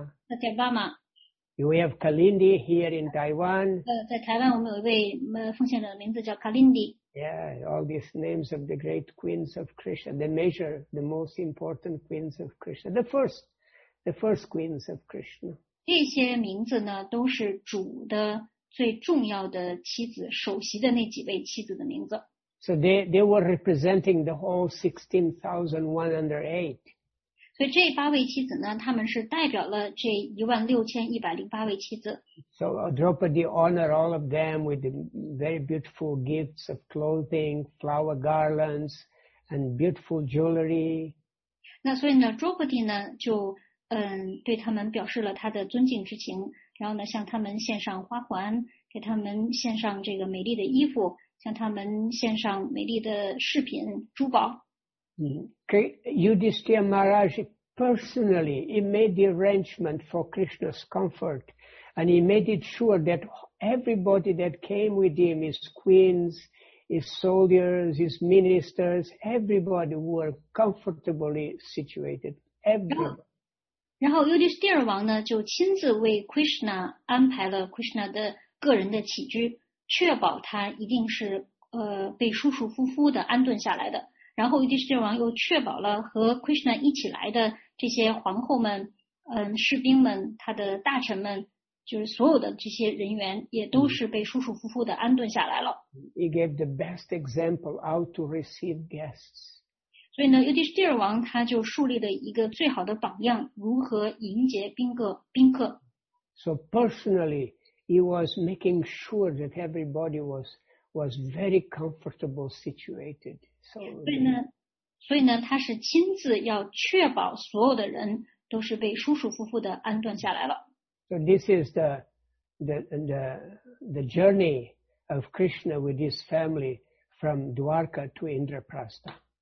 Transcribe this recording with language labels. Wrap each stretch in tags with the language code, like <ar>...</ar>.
<en>Satyabhama. We have Kalindi here in Taiwan.</en> <zh>在台湾我们有一位奉献者的名字叫 Kalindi.</zh> <en>Yeah, all these names of the great queens of Krishna, the major, the most important queens of Krishna, the first queens of Krishna.</en> <zh>这些名字呢，都是主的最重要的妻子，首席的那几位妻子的名字。</zh> <en>So they were representing the whole 16,108.</en> <zh>所以这八位妻子呢，他们是代表了这16,108位妻子。</zh> <en>So Draupadi honored all of them with very beautiful gifts of clothing, flower garlands, and beautiful jewelry.</en> <zh>那所以呢 ，Draupadi 呢就对他们表示了他的尊敬之情，然后呢向他们献上花环，给他们献上这个美丽的衣服。向他们献上美丽的饰品、珠宝。</zh> <en>Yudhishthira Maharaj personally he made the arrangement for Krishna's comfort, and he made it sure that everybody that came with him, his queens, his soldiers, his ministers, everybody were comfortably situated. Everybody.</en> <zh>然后 Yudhishthira 王呢就亲自为 Krishna 安排了 Krishna 的个人的起居。确保他一定是被舒舒服服的安顿下来的，然后尤迪斯帝王又确保了和 Krishna 一起来的这些皇后们、士兵们、他的大臣们，就是所有的这些人员，也都是被舒舒服服的安顿下来了。</zh> <en>He gave the best example how to receive guests.</en> <zh>所以呢，尤迪斯帝王他就树立了一个最好的榜样，如何迎接宾客。</zh> <en>So personally. He was making sure that everybody was very comfortable situated. So,</en> <zh>他是亲自要确保所有的人都是被舒舒服服的安顿下来了。</zh> <en>So this is the journey of Krishna with his family from Dwarka to Indraprastha.</en>